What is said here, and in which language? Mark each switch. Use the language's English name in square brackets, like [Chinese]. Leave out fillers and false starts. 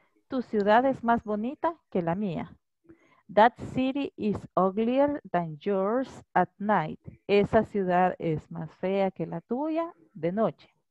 [Spanish] Tu ciudad es más bonita que la mía. [English] That city is uglier than yours at night. [Spanish] Esa ciudad es más fea que la tuya de noche.